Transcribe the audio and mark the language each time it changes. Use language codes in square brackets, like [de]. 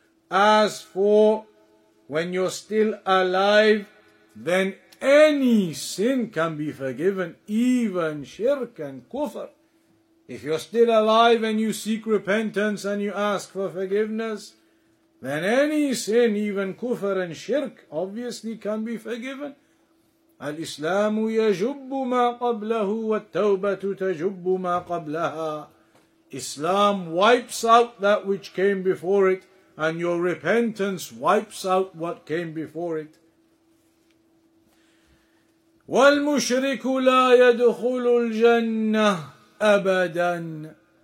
[en] As for when you're still alive, then any sin can be forgiven, even shirk and kufr. If you're still alive and you seek repentance and you ask for forgiveness, then any sin, even kufr and shirk, obviously can be forgiven. [ar] الإسلام يجب ما قبله والتوبة تجب ما قبلها. [en] Islam wipes out that which came before it, and your repentance wipes out what came before it. [ar] والمشرك لا يدخل الجنة أبدا.